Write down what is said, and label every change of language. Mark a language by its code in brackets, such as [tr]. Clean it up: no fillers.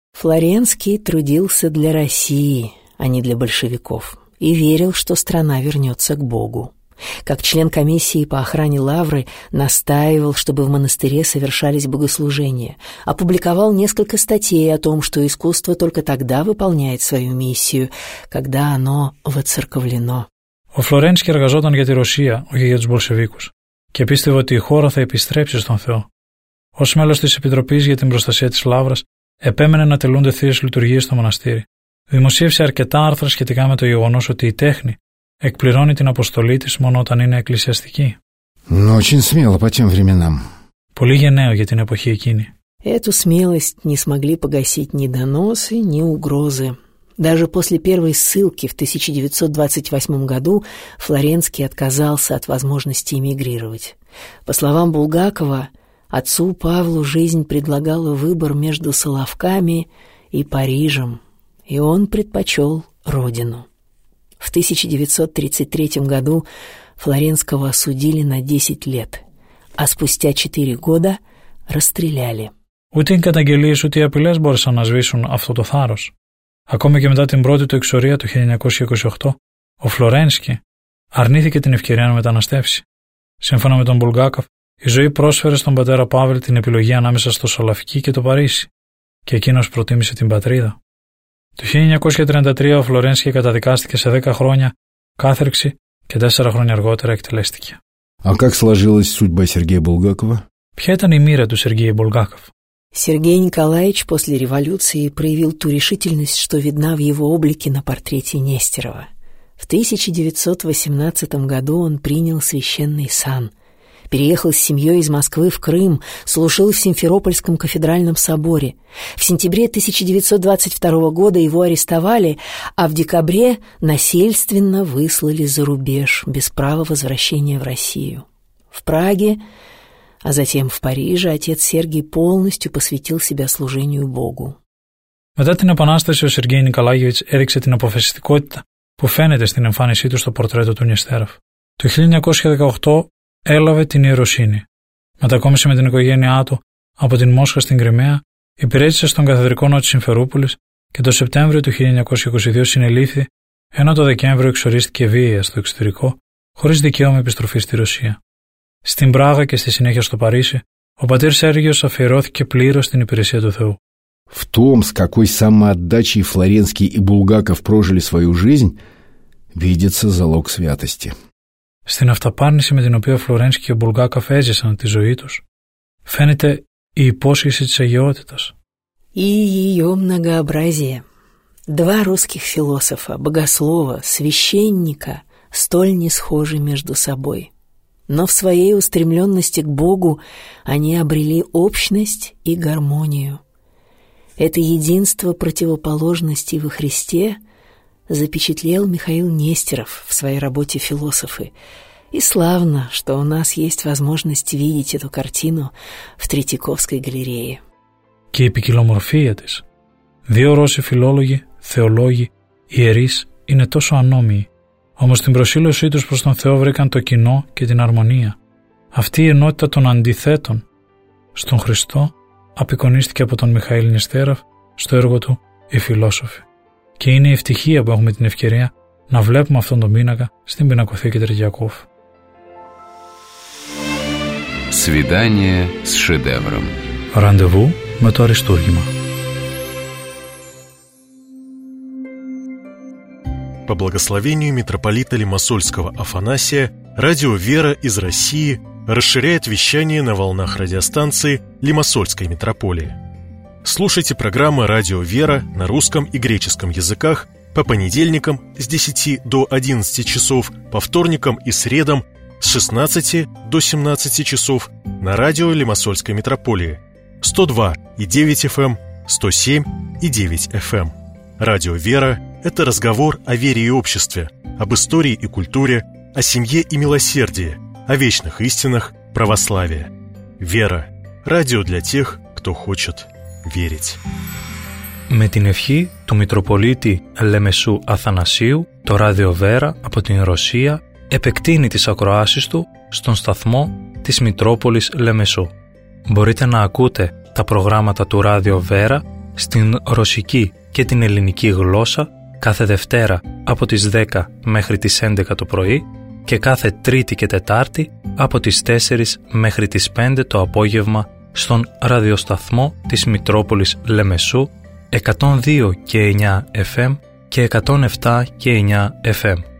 [ru] Флоренский трудился для России, а не для большевиков, и верил, что страна вернется к Богу. Как член комиссии по охране Лавры, настаивал, чтобы в монастыре совершались богослужения, опубликовал несколько статей о том, что искусство только тогда выполняет свою миссию, когда оно воцерковлено. [el] Ο Φλορένσκι εργαζόταν για τη Ρωσία, όχι για τους Μπολσεβίκους, και πίστευε ότι η χώρα θα επιστρέψει στον Θεό. Ως μέλος της Επιτροπής για την Προστασία της Λαύρας, επέμενε να τελούνται θείες λειτουργίες στο μοναστήρι. Δημοσίευσε αρκετά άρθρα σχετικά με το γεγονός ότι η τέχνη εκπληρώνει την αποστολή της μόνο όταν είναι εκκλησιαστική. [ru] Но очень смело по тем временам. [el] Πολύ γενναίο για την εποχή εκείνη. [ru] Эту смелость не смогли погасить ни доносы, ни угрозы. Даже после первой ссылки в 1928 году Флоренский отказался от возможности эмигрировать. По словам Булгакова, отцу Павлу жизнь предлагала выбор между Соловками и Парижем, и он предпочел родину. В 1933 году Флоренского осудили на 10 лет, а спустя 4 года расстреляли. [el] Ούτε οι καταγγελίες, ούτε οι απειλές μπόρεσαν να σβήσουν αυτό το θάρρος. Ακόμη και μετά την πρώτη του εξορία του 1928, ο Φλορένσκι αρνήθηκε την ευκαιρία να μεταναστεύσει. Σύμφωνα με τον Μπουλγάκοφ, η ζωή πρόσφερε στον πατέρα Παύλ την επιλογή ανάμεσα στο Σολαφική και το Παρίσι, και εκείνος προτίμησε την πατρίδα. Το 1933 ο Φλορένσκι καταδικάστηκε σε 10 χρόνια κάθερξη και 4 χρόνια αργότερα εκτελέστηκε. [ru] А как сложилась судьба Сергея Булгакова? [el] Ποια ήταν η μοίρα του Сергея Булгакова? [ru] Сергей Николаевич после революции проявил ту решительность, что видна в его облике на портрете Нестерова. В 1918 году он принял священный сан. Переехал с семьей из Москвы в Крым, служил в Симферопольском кафедральном соборе. В сентябре 1922 года его арестовали, а в декабре насильственно выслали за рубеж, без права возвращения в Россию. В Праге, а затем в Париже, отец Сергий полностью посвятил себя служению Богу. [el] Μετά την επανάσταση, ο Сергей Николаевич έδειξε την αποφασιστικότητα που φαίνεται στην εμφάνισή του στο πορτρέτο του Νιστέροφ. Το 1918 έλαβε την Ιεροσύνη. Μετακόμισε με την οικογένειά του από την Μόσχα στην Κρυμαία, υπηρέτησε στον καθεδρικό νότο της Σιμφερούπολης και το Σεπτέμβριο του 1922 συνελήφθη, ενώ το Δεκέμβριο εξορίστηκε βία στο εξωτερικό, χωρίς δικαίωμα επιστροφής στη Ρωσία. Στην Πράγα και στη συνέχεια στο Παρίσι, ο πατήρ Σέργιος αφιερώθηκε πλήρως στην υπηρεσία του Θεού. [ru] В том, с какой самоотдачей Флоренский и Булгаков прожили свою жизнь, видится залог святости. [el] Στην αυταπάρνηση με την οποία Φλορένσκι και ο Μπουλγάκοφ έζησαν τη ζωή τους, φαίνεται η υπόσχεση της αγιότητας. [ru] И ее многообразие. Два русских философа, богослова, священника, столь не схожи между собой. Но в своей устремленности к Богу они обрели общность и гармонию. Это единство противоположностей во Христе запечатлел Михаил Нестеров в своей работе «Философы». И славно, что у нас есть возможность видеть эту картину в Третьяковской галерее. [el] Και η ποικιλομορφία της. Δύο Ρώσοι φιλόλογοι, θεολόγοι, ιερείς είναι τόσο ανώμοιοι. Όμως την προσήλωσή τους προς τον Θεό βρήκαν το κοινό και την αρμονία. Αυτή η ενότητα των αντιθέτων στον Χριστό απεικονίστηκε από τον Μιχαήλ Νεστέραφ στο έργο του «Οι Φιλόσοφοι». Και είναι η ευτυχία που έχουμε την ευκαιρία να βλέπουμε αυτόν τον πίνακα στην Πινακοθήκη Τριακόφ. [ru] Σβιντάνιε σ Σεδεύρομ. [el] Ραντεβού με το Αριστούργημα. [ru] По благословению митрополита Лимассольского Афанасия, радио «Вера» из России расширяет вещание на волнах радиостанции Лимассольской митрополии. Слушайте программы «Радио «Вера» на русском и греческом языках по понедельникам с 10 до 11 часов, по вторникам и средам с 16 до 17 часов на радио Лимассольской митрополии 102.9 FM, 107.9 FM. Радио «Вера» – это разговор о вере и обществе, об истории и культуре, о семье и милосердии, о вечных истинах православия. «Вера» – радио для тех, кто хочет верить. [el] Με την ευχή του Μητροπολίτη Λεμεσού Αθανασίου, το Ράδιο Βέρα από την Ρωσία επεκτείνει τις ακροάσεις του στον σταθμό της Μητρόπολης Λεμεσού. Μπορείτε να ακούτε τα προγράμματα του Ράδιο Βέρα στην ρωσική και την ελληνική γλώσσα κάθε Δευτέρα από τις 10 μέχρι τις 11 το πρωί και κάθε Τρίτη και Τετάρτη από τις 4 μέχρι τις 5 το απόγευμα στον ραδιοσταθμό της Μητρόπολης Λεμεσού 102 και 9 FM και 107 και 9 FM.